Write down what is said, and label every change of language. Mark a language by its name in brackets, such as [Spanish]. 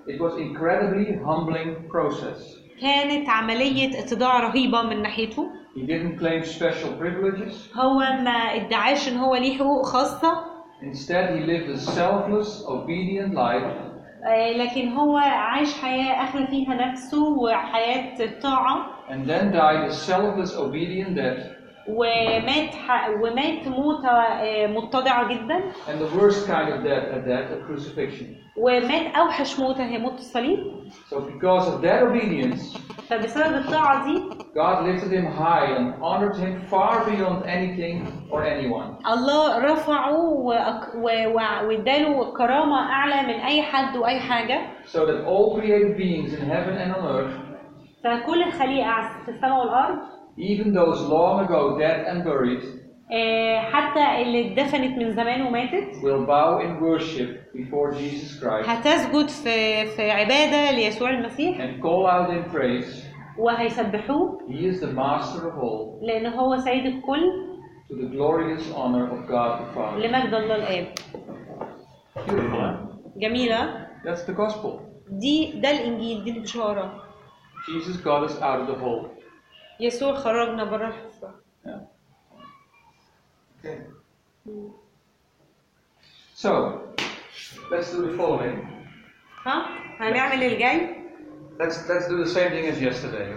[English] It was incredibly humbling process. [Arabic] كانت عملية اتضاع رهيبة من ناحيته. [English] He didn't claim special privileges. [Arabic] هو ما ادعاش إن هو ليه حقوق خاصة. [English] Instead, he lived a selfless, obedient life. [Arabic] لكن هو عايش حياة أخلى فيها نفسه وحياة الطاعة. [English] And then died a selfless, obedient death. [Arabic] ومات موتة متضعة جدا. [English] And the worst kind of death at that, a crucifixion. [Arabic] ومات أوحش موتة هي موت الصليب. [English] So because of that obedience. [Arabic] فبسبب الطاعة دي. [English] God lifted him high and honored him far beyond anything or anyone. [Arabic] الله رفعه واداله كرامة أعلى من أي حد وأي حاجة. [English] So that all created beings in heaven and on earth. [Arabic] فكل الخليقة في السماء والأرض. [English] Even those long ago dead and buried, [Arabic] حتى اللي اتدفنت من زمان وماتت, [English] will bow in worship before Jesus Christ. [Arabic] هتسجد في عبادة ليسوع المسيح. [English] And call out in praise. [Arabic] وهيسبحوه. [English] He is the master of all. [Arabic] لأن هو سيد الكل. [English] To the glorious honor of God the Father. [Arabic] لمجد الله الآب. [English] Beautiful. [Arabic] جميلة. [English] That's the gospel. [Arabic] دي ده الإنجيل دي البشارة. [English] Jesus got us out of the hole. [Arabic] يسوع خرجنا برا الحفرة. [English] Yeah. Okay. So, let's do the following. [Arabic] ها؟ هنعمل الجاي؟ [English] Let's do the same thing as yesterday.